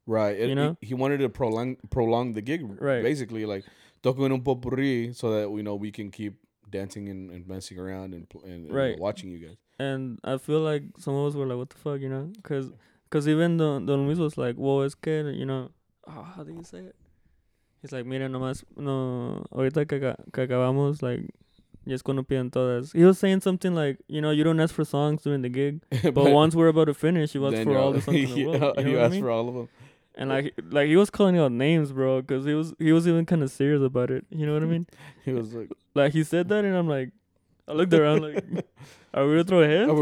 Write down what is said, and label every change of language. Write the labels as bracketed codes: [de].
[en] Right. You know? He wanted to prolong the gig, right. Basically. Like, [es] toco en un popurrí [en] so that, you know, we can keep dancing and messing around and right. Watching you guys. And I feel like some of us were like, what the fuck, you know? Because even Don Luis was like, well, [es] es que, [en] you know, how do you say it? He's like, [es] mira, nomás, no, ahorita que acabamos, like, ya es cuando piden todas. [en] He was saying something like, you know, you don't ask for songs during the gig, but once we're about to finish, you ask for all the songs in the world. You know ask for all of them. And, like he was calling out names, bro, because he was even kind of serious about it. You know what I mean? He was like. Like, he said that, and I'm like, I looked around, like, are we going to throw hands?